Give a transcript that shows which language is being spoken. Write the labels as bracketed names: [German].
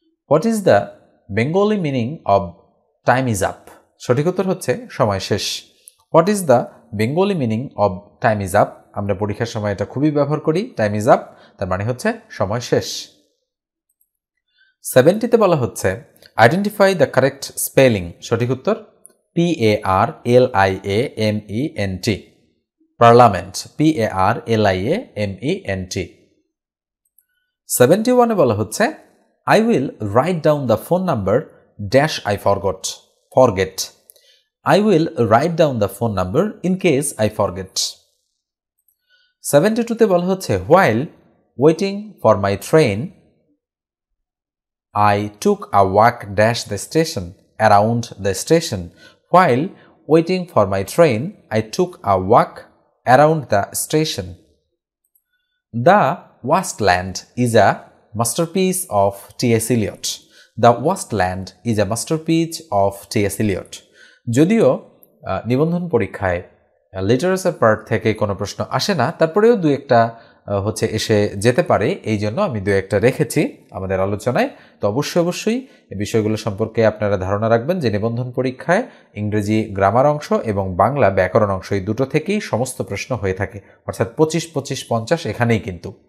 [English] What is the Bengali meaning of time is up? [Bangla] সঠিক উত্তর হচ্ছে সময় শেষ। [English] What is the Bengali meaning of time is up? [Bangla] আমরা পরীক্ষার সময় এটা খুবই ব্যবহার করি, [English] time is up, [Bangla] তার মানে হচ্ছে সময় শেষ। 70 বলা হচ্ছে [English] identify the correct spelling, [Bangla] সঠিক উত্তর PARLIAMENT, পার্লামেন্ট, PARLIAMENT। [English] 71 [Bangla] বলা হচ্ছে [English] I will write down the phone number dash I forgot, forget, I will write down the phone number in case I forget. 72 [Bangla] তে বলা হচ্ছে [English] while waiting for my train, I took a walk dash the station around the station. While waiting for my train, I took a walk around the station. The Wasteland is a masterpiece of T.S. Eliot. The Wasteland is a masterpiece of T.S. Eliot. [Bangla] যদিও নিবন্ধন পরীক্ষায় literature part থেকে কোনো প্রশ্ন আসে না, তারপরেও দু একটা হচ্ছে এসে যেতে পারে, এই জন্য আমি দু একটা রেখেছি আমাদের আলোচনায়। তো অবশ্যই অবশ্যই এই বিষয়গুলো সম্পর্কে আপনারা ধারণা রাখবেন যে নিবন্ধন পরীক্ষায় ইংরেজি গ্রামার অংশ এবং বাংলা ব্যাকরণ অংশ এই দুটো থেকেই সমস্ত প্রশ্ন হয়ে থাকে, অর্থাৎ 25-25-50 এখানেই কিন্তু।